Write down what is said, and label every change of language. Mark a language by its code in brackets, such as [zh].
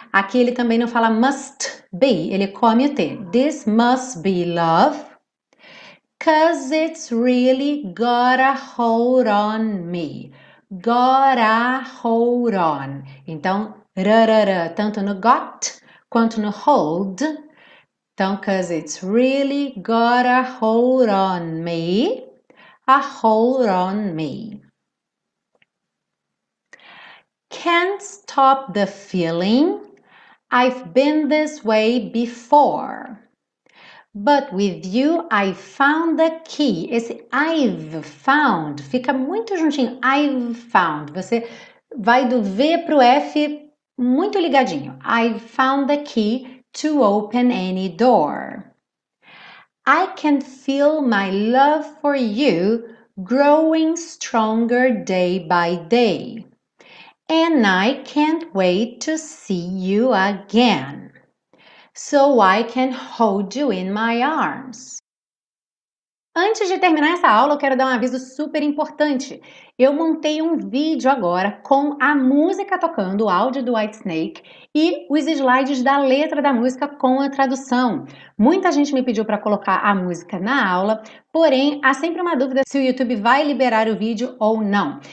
[pt] Aqui ele também não fala must be, ele come o T. [en] This must be love, 'cause it's really got a hold on me. Got a hold on. [pt] Então, rarara, tanto no got quanto no hold. Então, [en] 'cause it's really got a hold on me. A hold on me. Can't stop the feeling. I've been this way before. But with you, I found the key. [pt] Esse [en] I've found [pt] fica muito juntinho. [en] I've found. [pt] Você vai do V pro F muito ligadinho. [en] I've found the key to open any door. I can feel my love for you growing stronger day by day. And I can't wait to see you again. So I can hold you in my arms. [pt] Antes de terminar essa aula, eu quero dar um aviso super importante. Eu montei um vídeo agora com a música tocando, o áudio do Whitesnake e os slides da letra da música com a tradução. Muita gente me pediu para colocar a música na aula, porém, há sempre uma dúvida se o YouTube vai liberar o vídeo ou não.